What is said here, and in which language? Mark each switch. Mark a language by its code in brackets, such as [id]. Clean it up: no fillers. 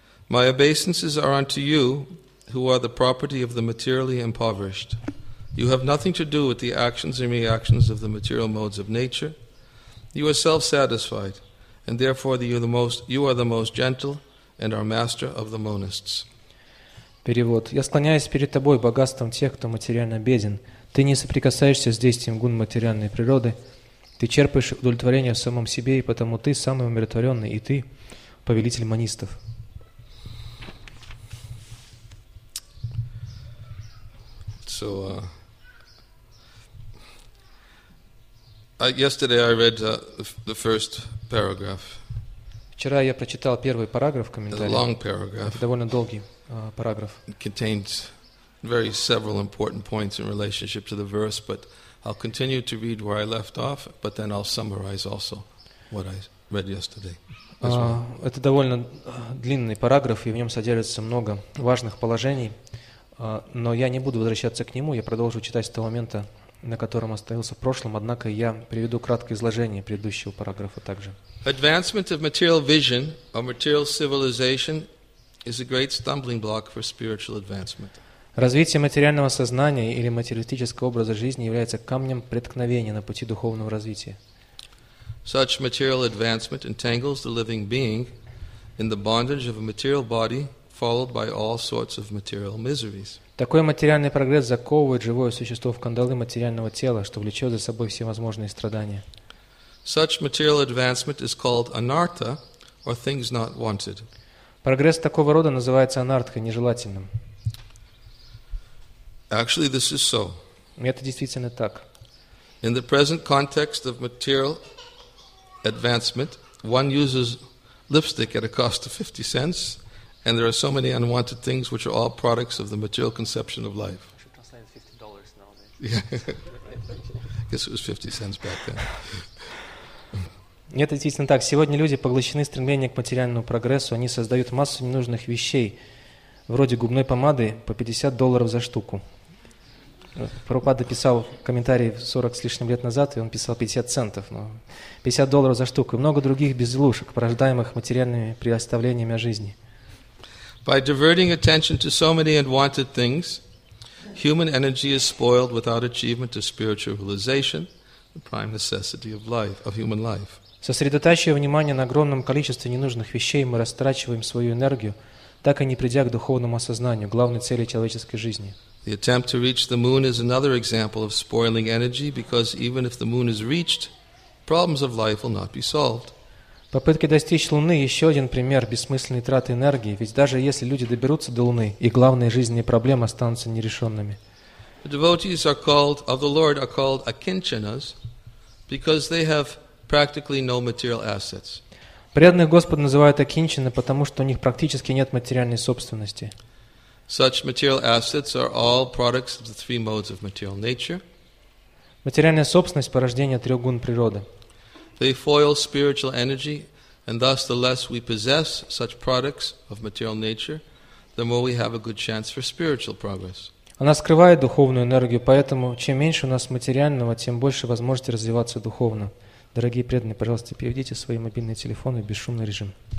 [en] My obeisances are unto you who are the property of the materially impoverished. You have nothing to do with the actions and reactions of the material modes of nature. You are self-satisfied, and therefore you are the most gentle and are master of the monists. [ru] Перевод. Я склоняюсь перед тобой богатством тех, кто материально беден. Ты не соприкасаешься с действием гун материальной природы. Ты черпаешь удовлетворение в самом себе, и потому ты самый умиротворенный, и ты повелитель монистов. [en] So, yesterday I read the first paragraph. [ru] Вчера я прочитал первый параграф комментария. [en] A long paragraph. [ru] Это довольно долгий. Параграф. [en] It contains very several important points in relationship to the verse, but I'll continue to read where I left off, but then I'll summarize also what I read yesterday. [ru] Это довольно длинный параграф, и в нем содержится много важных положений, но я не буду возвращаться к нему, я продолжу читать с того момента, на котором остановился в прошлом, однако я приведу краткое изложение предыдущего параграфа также. [en] Advancement of material vision or material civilization is a great stumbling block for spiritual advancement. [ru] Развитие материального сознания или материалистического образа жизни является камнем преткновения на пути духовного развития. [en] Such material advancement entangles the living being in the bondage of a material body, followed by all sorts of material miseries. [ru] Такой материальный прогресс заковывает живое существо в кандалы материального тела, что влечет за собой всевозможные страдания. [en] Such material advancement is called anartha, or things not wanted. [ru] Прогресс такого рода называется анартхой, нежелательным. [en] Actually, this is so. [ru] Это действительно так. [en] In the present context of material advancement, one uses lipstick at a cost of 50 cents, and there are so many unwanted things which are all products of the material conception of life. I guess it was 50 cents back then. [ru] Нет, действительно так. Сегодня люди поглощены стремлением к материальному прогрессу. Они создают массу ненужных вещей, вроде губной помады по 50 долларов за штуку. Прабхупада писал комментарий 40 с лишним лет назад, и он писал 50 центов. Но 50 долларов за штуку. И много других безделушек, порождаемых материальными представлениями о жизни. [en] By diverting attention to so many unwanted things, human energy is spoiled without achievement of spiritual realization, the prime necessity of life, of human life. [ru] Сосредотачивая внимание на огромном количестве ненужных вещей, мы растрачиваем свою энергию, так и не придя к духовному осознанию, главной цели человеческой жизни. [en] The attempt to reach the moon is another example of spoiling energy, because even if the moon is reached, problems of life will not be solved. [ru] Попытки достичь Луны – еще один пример бессмысленной траты энергии, ведь даже если люди доберутся до Луны, их главные жизненные проблемы останутся нерешенными. [en] The devotees are called, of the Lord are called akinchanas, because they have practically no material assets. [ru] Преданных Господа называют акинчаны, потому что у них практически нет материальной собственности. [en] Such material assets are all products of the three modes of material nature. [ru] Материальная собственность – порождение трех гун природы. [en] They foil spiritual energy, and thus the less we possess such products of material nature, the more we have a good chance for spiritual progress. [ru] Она скрывает духовную энергию, поэтому чем меньше у нас материального, тем больше возможности развиваться духовно. Дорогие преданные, пожалуйста, переведите свои мобильные телефоны в бесшумный режим.